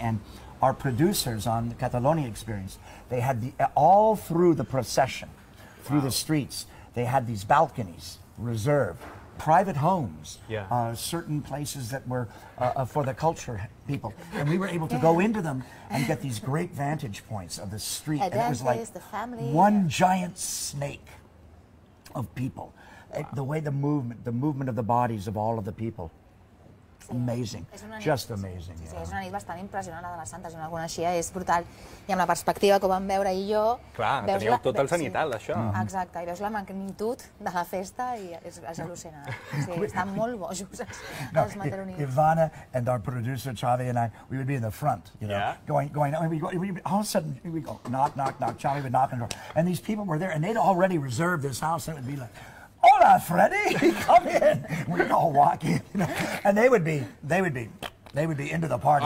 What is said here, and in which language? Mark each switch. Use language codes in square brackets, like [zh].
[en] And our producers on the Catalonia Experience, they had all through the procession, through the streets, they had these balconies reserved, private homes, certain places that were for the culture people. And we were able to go into them and get these great vantage points of the street. And it was like the family. One giant snake of people. Wow. It, the way the movement of the bodies of all of the people. Amazing, just amazing. [ca] Sí, és una nit bastant impressionant, la de les Santes, alguna així, és brutal. I amb la perspectiva que vam veure ahir i jo... Clar, teníeu tot el sanitat, això. Exacte, i veus la magnitud de la festa i és al·lucinant. Sí, estan molt bojos els mataronins. [en] Ivana and our producer, Xavi and I, we would be in the front, you know, going, all of a sudden, here we go, knock, knock, knock, Xavi would knock on the door. And these people were there, and they'd already reserved this house, and it would be like... Hola, Freddy, come in. We'd all walk in, you know? And they would be into the party.